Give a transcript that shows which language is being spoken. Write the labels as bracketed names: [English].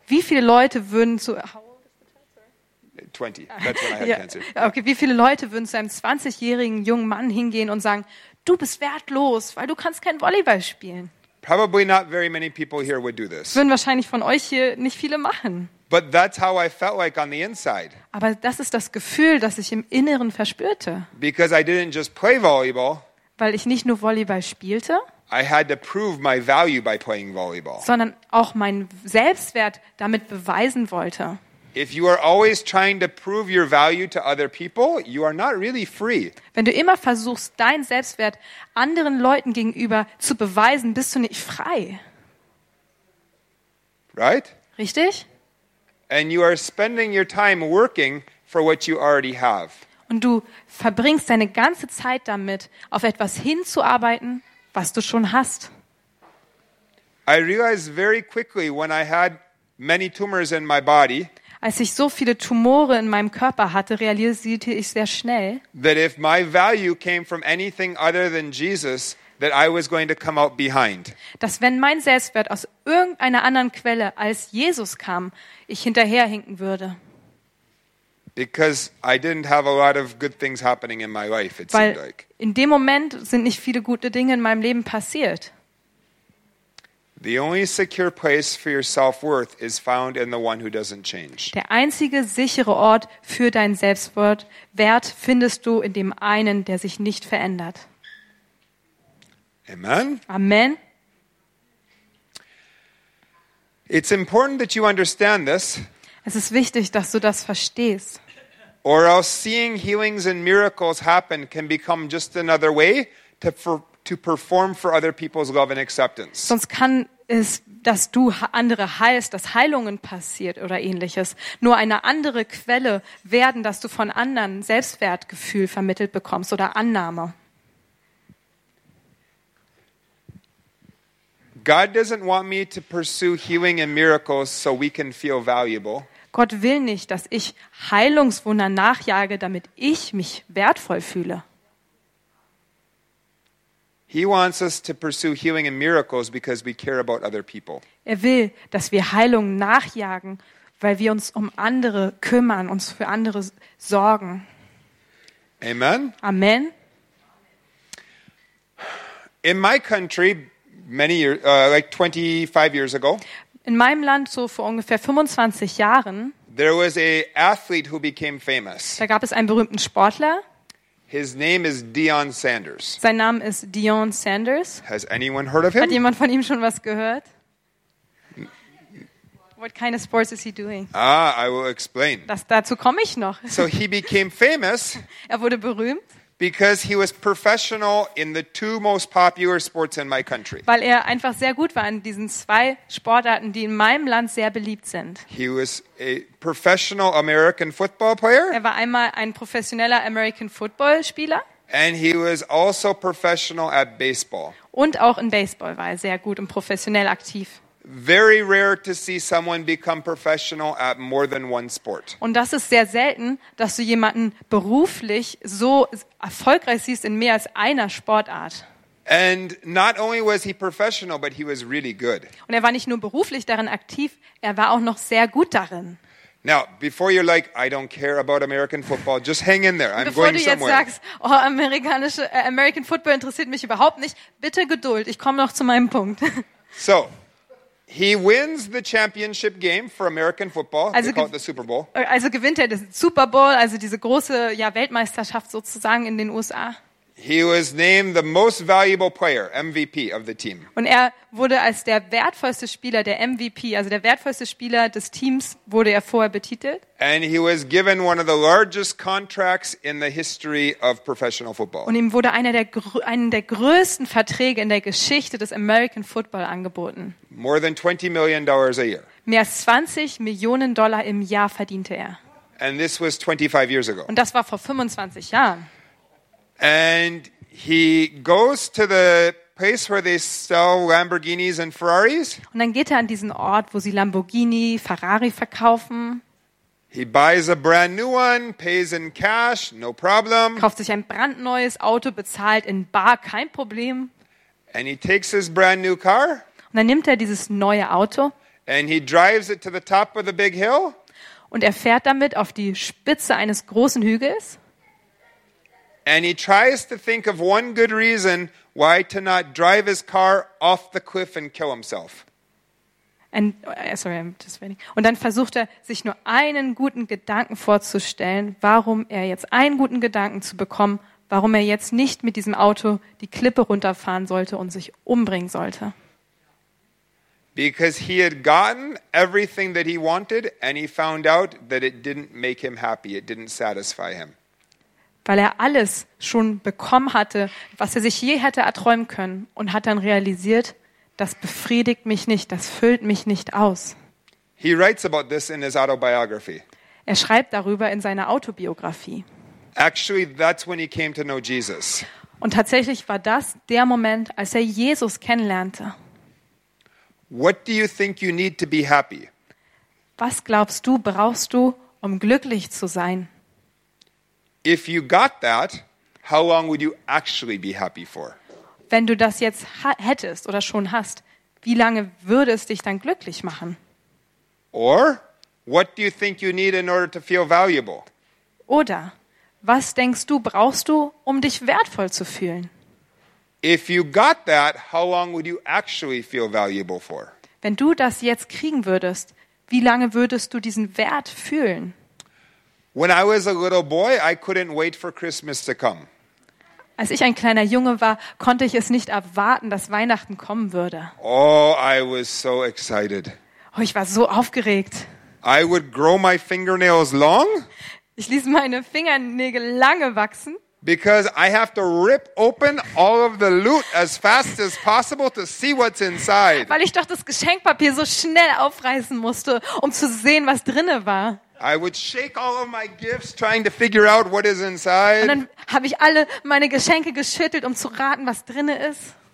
[German] Wie viele Leute würden zu [English] 20, that's when I had cancer. [German] Okay, wie viele Leute würden zu einem 20-jährigen jungen Mann hingehen und sagen, du bist wertlos, weil du kannst kein Volleyball spielen? [English] Probably not very many people here would do this. [German] Würden wahrscheinlich von euch hier nicht viele machen. [English] But that's how I felt like on the inside. [German] Aber das ist das Gefühl, das ich im Inneren verspürte. [English] Because I didn't just play volleyball. [German] Weil ich nicht nur Volleyball spielte. [English] I had to prove my value by playing volleyball. [German] Sondern auch meinen Selbstwert damit beweisen wollte. [English] If you are always trying to prove your value to other people, you are not really free. [German] Wenn du immer versuchst, deinen Selbstwert anderen Leuten gegenüber zu beweisen, bist du nicht frei. [English] Right? [German] Richtig? [English] And you are spending your time working for what you already have. [German] Und du verbringst deine ganze Zeit damit, auf etwas hinzuarbeiten, was du schon hast. [English] I realized very quickly when I had many tumors in my body. [German] Als ich so viele Tumore in meinem Körper hatte, realisierte ich sehr schnell, [English] that if my value came from anything other than Jesus, that I was going to come out behind. [German] Dass wenn mein Selbstwert aus irgendeiner anderen Quelle als Jesus kam, ich hinterherhinken würde. [English] Because I didn't have a lot of good things happening in my life, it seemed like. [German] In dem Moment sind nicht viele gute Dinge in meinem Leben passiert. [English] The only secure place for your self-worth is found in the one who doesn't change. [German] Der einzige sichere Ort für deinen Selbstwert findest du in dem einen, der sich nicht verändert. [English] Amen. [German] Amen. [English] It's important that you understand this. [German] Es ist wichtig, dass du das verstehst. [English] Or else seeing healings and miracles happen can become just another way to perform for other people's love and acceptance. [German] Sonst kann es, dass du andere heilst, dass Heilungen passiert oder ähnliches, nur eine andere Quelle werden, dass du von anderen Selbstwertgefühl vermittelt bekommst oder Annahme. [English] God doesn't want me to pursue healing and miracles so we can feel valuable. [German] Gott will nicht, dass ich Heilungswunder nachjage, damit ich mich wertvoll fühle. [English] He wants us to pursue healing and miracles because we care about other people. [German] Er will, dass wir Heilung nachjagen, weil wir uns um andere kümmern, uns für andere sorgen. [English] Amen. [German] Amen. [English] In my country, many years, like 25 years ago. [German] In meinem Land so vor ungefähr 25 Jahren. [English] There was a athlete who became famous. [German] Da gab es einen berühmten Sportler. [English] His name is Deion Sanders. [German] Sein Name ist Deion Sanders. [English] Has anyone heard of him? [German] Hat jemand von ihm schon was gehört? [English] What kind of sports is he doing? Ah, I will explain. [German] Dazu komme ich noch. [English] So he became famous. [German] Er wurde berühmt. [English] Because he was professional in the two most popular sports in my country. [German] Weil er einfach sehr gut war in diesen zwei Sportarten, die in meinem Land sehr beliebt sind. [English] He was a professional American football player. [German] Er war einmal ein professioneller American Football Spieler. [English] And he was also professional at baseball. [German] Und auch in Baseball war er sehr gut und professionell aktiv. [English] Very rare to see someone become professional at more than one sport. [German] Und das ist sehr selten, dass du jemanden beruflich so erfolgreich siehst in mehr als einer Sportart. [English] And not only was he professional, but he was really good. [German] Und er war nicht nur beruflich darin aktiv, er war auch noch sehr gut darin. [English] Now, before you're like, I don't care about American football, just hang in there. I'm [German] bevor [English] going somewhere. [German] Bevor du jetzt sagst, oh, American football interessiert mich überhaupt nicht, bitte Geduld, ich komme noch zu meinem Punkt. [English] So. He wins the championship game for American football. [German] Also, [English] they call it the Super Bowl. [German] Also gewinnt er den Super Bowl, also diese große ja, Weltmeisterschaft sozusagen in den USA. [English] He was named the most valuable player, MVP of the team. [German] Und er wurde als der wertvollste Spieler, der MVP, also der wertvollste Spieler des Teams, wurde er vorher betitelt. [English] And he was given one of the largest contracts in the history of professional football. [German] Und ihm wurde einen der größten Verträge in der Geschichte des American Football angeboten. [English] More than $20 million a year. [German] Mehr als 20 Millionen Dollar im Jahr verdiente er. [English] And this was 25 years ago. [German] Und das war vor 25 Jahren. [English] And he goes to the place where they sell Lamborghinis and Ferraris. [German] Und dann geht er an diesen Ort, wo sie Lamborghini, Ferrari verkaufen. [English] He buys a brand new one, pays in cash, no problem. [German] Kauft sich ein brandneues Auto, bezahlt in bar, kein Problem. [English] And he takes his brand new car. [German] Und dann nimmt er dieses neue Auto. [English] And he drives it to the top of the big hill. [German] Und er fährt damit auf die Spitze eines großen Hügels. [English] And he tries to think of one good reason why to not drive his car off the cliff and kill himself. [German] Und dann versucht er, sich nur einen guten Gedanken vorzustellen, warum er jetzt einen guten Gedanken zu bekommen, warum er jetzt nicht mit diesem Auto die Klippe runterfahren sollte und sich umbringen sollte. [English] Because he had gotten everything that he wanted and he found out that it didn't make him happy, it didn't satisfy him. [German] Weil er alles schon bekommen hatte, was er sich je hätte erträumen können und hat dann realisiert, das befriedigt mich nicht, das füllt mich nicht aus. [English] He writes about this in his autobiography. [German] Er schreibt darüber in seiner Autobiografie. [English] Actually, that's when he came to know Jesus. [German] Und tatsächlich war das der Moment, als er Jesus kennenlernte. [English] What do you think you need to be happy? [German] Was glaubst du, brauchst du, um glücklich zu sein? [English] If you got that, how long would you actually be happy for? [German] Wenn du das jetzt hättest oder schon hast, wie lange würde es dich dann glücklich machen? [English] Or what do you think you need in order to feel valuable? [German] Oder was denkst du, brauchst du, um dich wertvoll zu fühlen? [English] If you got that, how long would you actually feel valuable for? [German] Wenn du das jetzt kriegen würdest, wie lange würdest du diesen Wert fühlen? [English] When I was a little boy, I couldn't wait for Christmas to come. [German] Als ich ein kleiner Junge war, konnte ich es nicht erwarten, dass Weihnachten kommen würde. [English] Oh, I was so excited. [German] Oh, ich war so aufgeregt. [English] I would grow my fingernails long. [German] Ich ließ meine Fingernägel lange wachsen. [English] Because I have to rip open all of the loot as fast as possible to see what's inside. [German] Weil ich doch das Geschenkpapier so schnell aufreißen musste, um zu sehen, was drinne war. [English] I would shake all of my gifts trying to figure out what is inside. [German] Und dann habe ich alle meine Geschenke geschüttelt, um zu raten, was drinne ist.